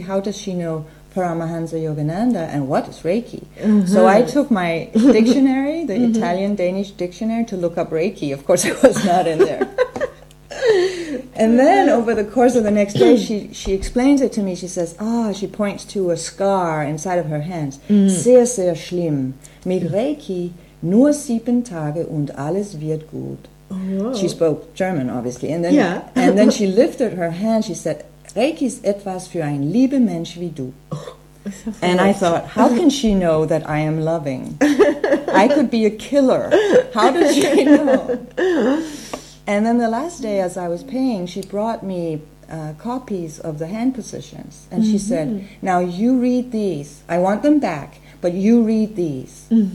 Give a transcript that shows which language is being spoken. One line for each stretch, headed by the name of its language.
English: How does she know Paramahansa Yogananda, and what is Reiki? Mm-hmm. So I took my dictionary, the mm-hmm. Italian-Danish dictionary, to look up Reiki. Of course, it was not in there. And then over the course of the next day, she explains it to me. She says, "Ah," she points to a scar inside of her hands.
German: Sehr, sehr schlimm. Mit Reiki nur 7 Tage und alles wird gut.
English: She spoke German, obviously. And then, and then she lifted her hand. She said,
German: "Reiki ist etwas für ein lieber Mensch wie du."
English: And I thought, how can she know that I am loving? I could be a killer. How does she know? And then the last day, as I was paying, she brought me copies of the hand positions. And she said, "Now you read these. I want them back, but you read these."